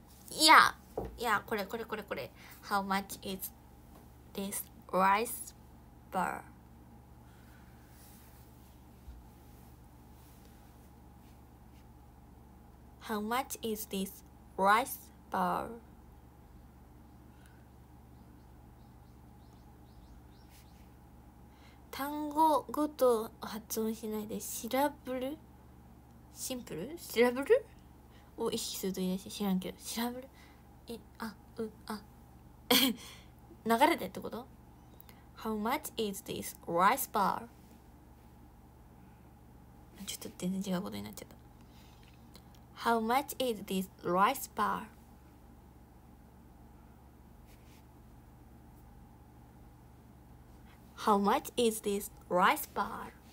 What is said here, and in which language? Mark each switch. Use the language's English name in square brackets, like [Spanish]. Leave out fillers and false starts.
[Japanese] いやいや、これこれこれこれ。 [English] How much is this rice bar? How much is this rice bar? [Japanese] 単語ごと発音しないで、シラブル、シンプル、シラブルを意識するといいらしい。知らんけど、調べる。い、あ、う、あ、流れてってこと？ [English] How much is this rice bar? [Japanese] ちょっと全然違うことになっちゃった。 [English] How much is this rice bar? How much is this rice bar?